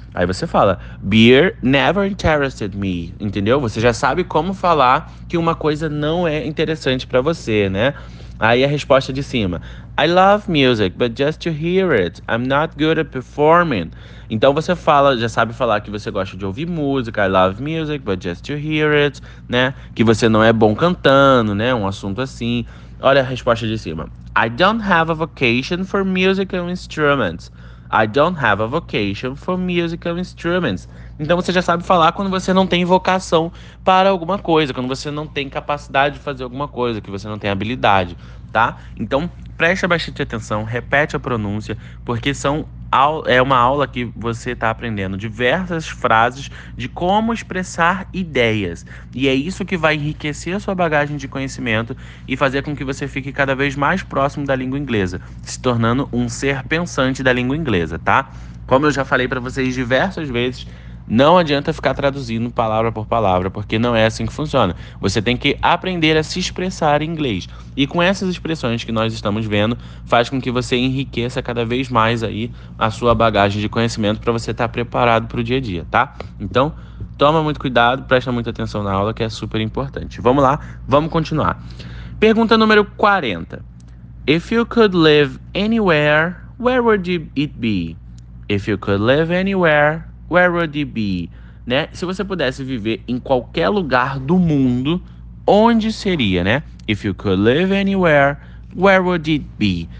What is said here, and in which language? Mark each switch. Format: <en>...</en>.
<pt>Aí você fala,</pt> <en>beer never interested me,</en> <pt>entendeu? Você já sabe como falar que uma coisa não é interessante para você, né? Aí a resposta de cima.</pt> <en>I love music, but just to hear it, I'm not good at performing.</en> <pt>Então você fala, já sabe falar que você gosta de ouvir música,</pt> <en>I love music, but just to hear it,</en> <pt>né? Que você não é bom cantando, né? Um assunto assim. Olha a resposta de cima.</pt> <en>I don't have a vocation for musical instruments. I don't have a vocation for musical instruments.</en> <pt>Então você já sabe falar quando você não tem vocação para alguma coisa, quando você não tem capacidade de fazer alguma coisa, que você não tem habilidade, tá? Então preste bastante atenção, repete a pronúncia, porque é uma aula que você está aprendendo diversas frases de como expressar ideias. E é isso que vai enriquecer a sua bagagem de conhecimento e fazer com que você fique cada vez mais próximo da língua inglesa, se tornando um ser pensante da língua inglesa, tá? Como eu já falei para vocês diversas vezes, não adianta ficar traduzindo palavra por palavra, porque não é assim que funciona. Você tem que aprender a se expressar em inglês. E com essas expressões que nós estamos vendo, faz com que você enriqueça cada vez mais aí a sua bagagem de conhecimento para você estar preparado para o dia a dia, tá? Então, toma muito cuidado, presta muita atenção na aula, que é super importante. Vamos lá, vamos continuar. Pergunta número 40.</pt> <en>If you could live anywhere, where would it be? If you could live anywhere, where would it be?</en> <pt>Né? Se você pudesse viver em qualquer lugar do mundo, onde seria, né?</pt> <en>If you could live anywhere, where would it be?</en>